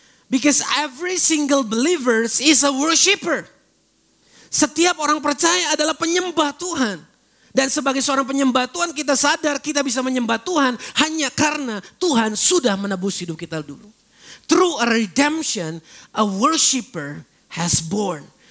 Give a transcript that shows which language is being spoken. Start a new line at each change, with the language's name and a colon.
English: Because every single believer is a worshipper.
Indonesian: Setiap orang percaya adalah penyembah Tuhan. Dan sebagai seorang penyembah Tuhan, kita sadar kita bisa menyembah Tuhan hanya karena Tuhan sudah menebus hidup kita dulu.
English: Through a redemption, a worshipper has born.